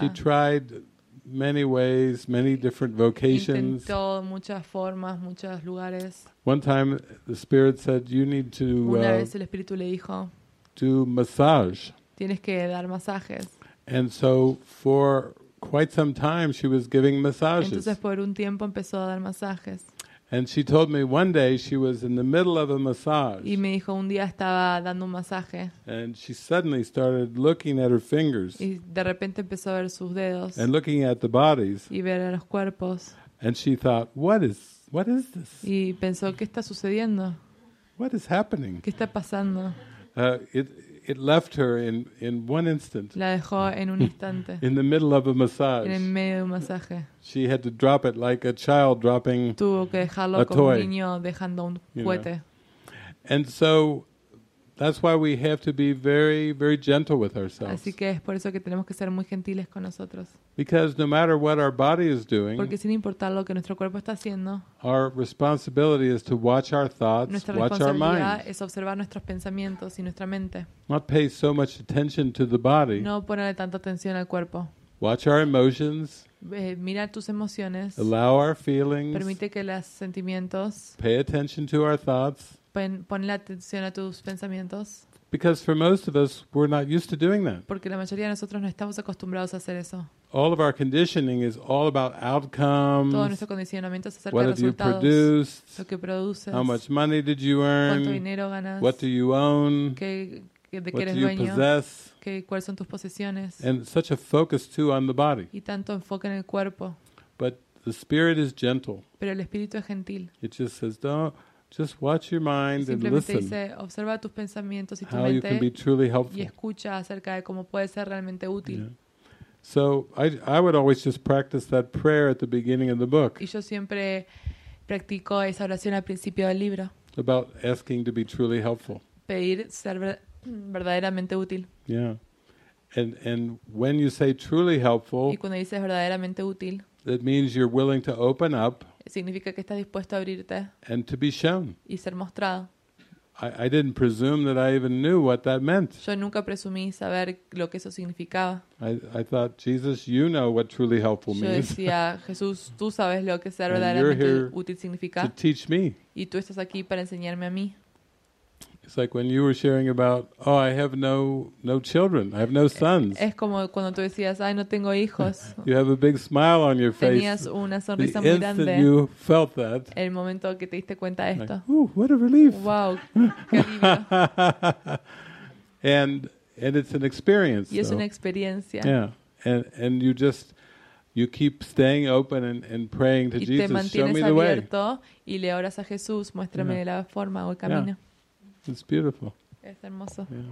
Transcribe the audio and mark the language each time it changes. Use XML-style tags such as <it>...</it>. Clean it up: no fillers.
<en>She tried many ways, many different vocations.</en> <es>Intentó muchas formas, muchos lugares.</es> <en>One time the Spirit said, you need to do massage.</en> <es>Tienes que dar masajes.</es> <en>And so for quite some time she was giving massages.</en> <es>Entonces por un tiempo empezó a dar masajes.</es> <en>And she told me one day she was in the middle of a massage.</en> <es>Y me dijo un día estaba dando un masaje.</es> <en>And she suddenly started looking at her fingers.</en> <es>Y de repente empezó a ver sus dedos.</es> <en>And looking at the bodies.</en> <es>Y ver a los cuerpos.</es> <en>And she thought, what is this?</en> <es>Y pensó, ¿qué está sucediendo?</es> <en>What is happening?</en> <es>¿Qué está pasando?</es> <en>It left her in one instant.</en> <es>La dejó en un instante.</es> <en>In the middle of a massage.</en> <es>En medio de un masaje.</es> <en>She had to drop it like a child dropping a toy.</en> <es>Tuvo que dejarlo como un niño dejando un juguete.</es> <en>And so that's why we have to be very, very gentle with ourselves.</en> <es>Así que es por eso que tenemos que ser muy gentiles con nosotros.</es> <en>Because no matter what our body is doing,</en> <es>porque sin importar lo que nuestro cuerpo está haciendo,</es> <en>our responsibility is to watch our thoughts, watch our minds.</en> <es>Nuestra responsabilidad es observar nuestros pensamientos y nuestra mente.</es> <en>Not pay so much attention to the body.</en> <es>No ponerle tanta atención al cuerpo.</es> <en>Watch our emotions.</en> <es>Mira tus emociones.</es> <en>Allow our feelings.</en> <es>Permite que los sentimientos.</es> <en>Pay attention to our thoughts.</en> <es>Ponle atención a tus pensamientos.</es> <en>Because for most of us, we're not used to doing that.</en> <es>Porque la mayoría de nosotros no estamos acostumbrados a hacer eso.</es> <en>All of our conditioning is all about outcomes.</en> <es>Todo nuestro condicionamiento es acerca de</es> <en>resultados. What have you produced?</en> <es>Lo que produces.</es> <en>How much money did you earn?</en> <es>¿Cuánto dinero ganas?</es> <en>What do you own?</en> <es>¿De qué eres dueño?</es> <en>What do you possess?</en> <es>¿Cuáles son tus posesiones?</es> <en>And such a focus too on the body.</en> <es>Y tanto enfoque en el cuerpo.</es> <en>But the spirit is gentle.</en> <es>Pero el espíritu es gentil.</es> <en>It just says, don't. Just watch your mind and listen.</en> <es>Simplemente dice, observa tus pensamientos y tu</es> <en>how</en> <es>mente</es> <en>you can be truly helpful.</en> <es>Y escucha acerca de cómo puede ser realmente útil.</es> <en>Yeah. So I would always just practice that prayer at the beginning of the book.</en> <es>Y yo siempre practico esa oración al principio del libro.</es> <en>About asking to be truly helpful.</en> <es>Pedir ser verdaderamente útil.</es> <en>Yeah. And when you say truly helpful,</en> <es>y cuando dices verdaderamente útil,</es> <en>that means you're willing to open up.</en> <es>Significa que estás dispuesto a abrirte.</es> <en>And to be shown.</en> <es>Y ser mostrado.</es> <en>I didn't presume that I even knew what that meant.</en> <es>Yo nunca presumí saber lo que eso significaba.</es> <en>I thought, Jesus, you know what truly helpful means.</en> <es>Yo decía, Jesús, tú sabes lo que ser verdaderamente útil significa.</es> <en>To teach me.</en> <es>Y tú estás aquí para enseñarme a mí.</es> <en>It's like when you were sharing about, oh, I have no children, I have no sons.</en> <es>Es como cuando tú decías, ay, no tengo hijos.</es> <en>You have a big smile on your face.</en> <es>Tenías una sonrisa</es> <en>the</en> <es>muy grande.</es> <en>Instant you felt that.</en> <es>El momento que te diste cuenta de esto.</es> <en>Like, ooh, what a relief!</en> <es>Wow, qué alivio.</es> <en>And it's an experience.</en> <es>Y es una experiencia.</es> <en>Yeah, and you just. You keep staying open and praying to Jesus.</en> <es>Y te mantienes</es> <en>show me the</en> <es>abierto</es> <en>way.</en> <es>Y le oras a Jesús, muéstrame yeah. la forma o el camino.</es> <en>Yeah. It's beautiful.</en> <es>Es hermoso.</es>